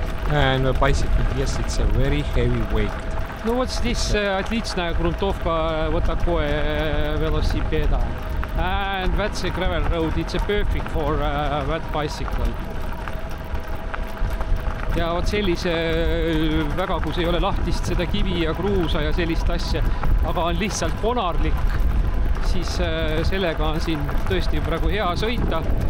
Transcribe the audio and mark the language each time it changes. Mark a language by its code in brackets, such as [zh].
[en] And the bicycle, yes, it's a very heavy weight. [ru] Ну вот здесь отличная грунтовка вот такой велосипеда. [en] And that's a gravel road, it's a perfect for that bicycle. [et] Ja вот sellise väga, kus ei ole lahtist seda kivi ja kruusa ja sellist asja, aga on lihtsalt konarlik, siis sellega on siin tõesti praegu hea sõita.